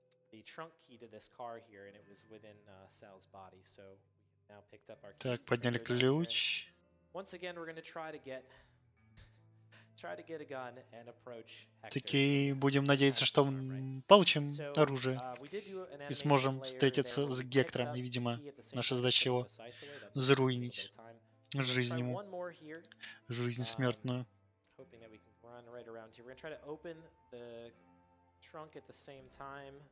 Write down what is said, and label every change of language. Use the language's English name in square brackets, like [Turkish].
[English] the trunk key to this car here, and it was within Sal's body, so we now picked up our key. [Russian] Так, подняли ключ. [English] Once again, we're going to try to get a gun and approach Hector. [Russian] Таки будем надеяться, что получим оружие и сможем встретиться с Гектором, и, видимо, наша задача его заруинить. Жизнь ему. Жизнь смертную. [English] Hoping that we can run right around here. We're going to try to open the trunk at the same time.